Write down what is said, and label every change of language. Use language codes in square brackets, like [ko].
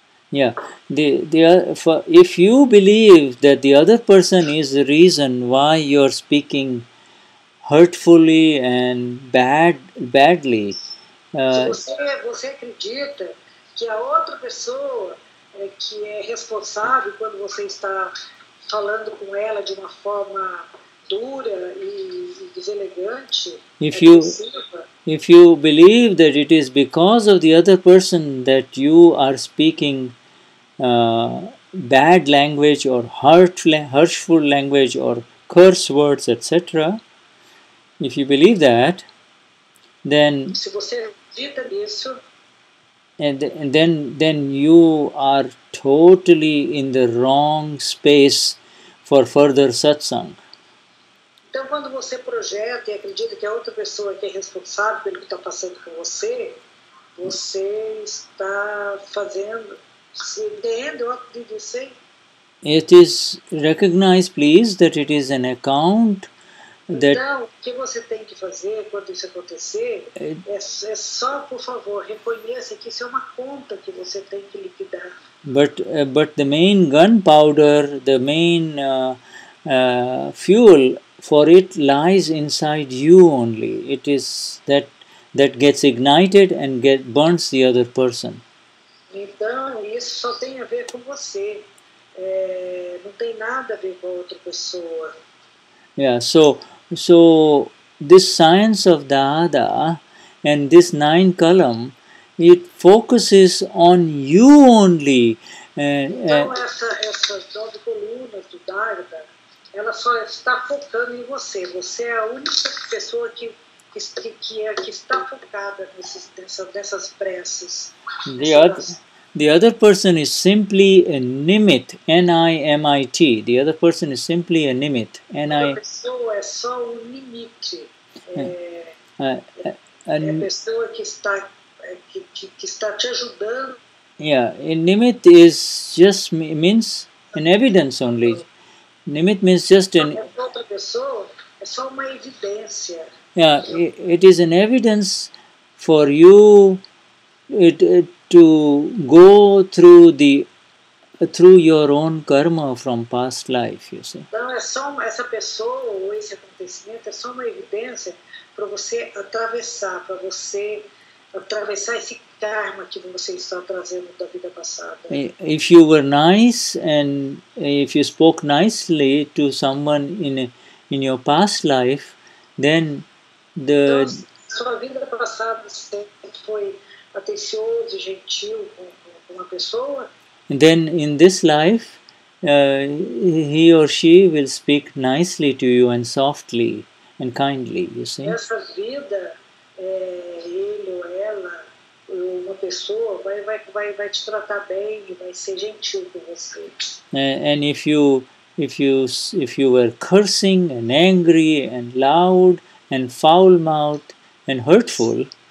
[en] Yeah, if you believe that the other person is the reason why you are speaking hurtfully and badly, [pt] você acredita que a outra pessoa que é responsável quando você está falando com ela de uma forma dura e deselegante, [en] if you believe that it is because of the other person that you are speaking bad language or hurtful language or curse words, etc., if you believe that, then [pt] se você acredita nisso, [en] and then you are totally in the wrong space for further satsang. [pt] Então, quando você projeta e acredita que a outra pessoa que é responsável pelo que está passando com você, você está fazendo, se entendendo de você. [en] It is recognized, please, that it is an account that... [pt] Então, o que você tem que fazer quando isso acontecer é só, por favor, reconheça que isso é uma conta que você tem que liquidar. [en] But the main gunpowder, the main fuel for it lies inside you only. It is that gets ignited and burns the other person. [pt] Então, isso só tem a ver com você. Não tem nada a ver com a outra pessoa. [en] Yeah, so this science of Dada and this nine column, it focuses on you only. [pt] Então, essas colunas do Dada, ela só está focando em você. Você é a única pessoa que está focada nessas preces. [en] The other person is simply a nimit, N-I-M-I-T. The other person is simply a nimit, N-I-M-I-T. [pt] A pessoa é só nimit. Pessoa que está te ajudando. [en] Yeah, a nimit is just means an evidence only. Nimit means just an... [pt] Outra pessoa é só uma evidência. [en] Yeah, it is an evidence for you... to go through through your own karma from past life, you see. [pt] Então, essa pessoa ou esse acontecimento é só uma evidência para você atravessar esse karma que você está trazendo da vida passada. [en] If you were nice and if you spoke nicely to someone in your past life, then [pt] sua vida passada foi atencioso, gentil com uma pessoa. [en] And then in this life, he or she will speak nicely to you and softly and kindly, you see. [pt] Nessa vida, ele ou ela, uma pessoa, vai te tratar bem, vai ser gentil com você. [en] And if you were cursing and angry and loud and foul-mouthed and hurtful,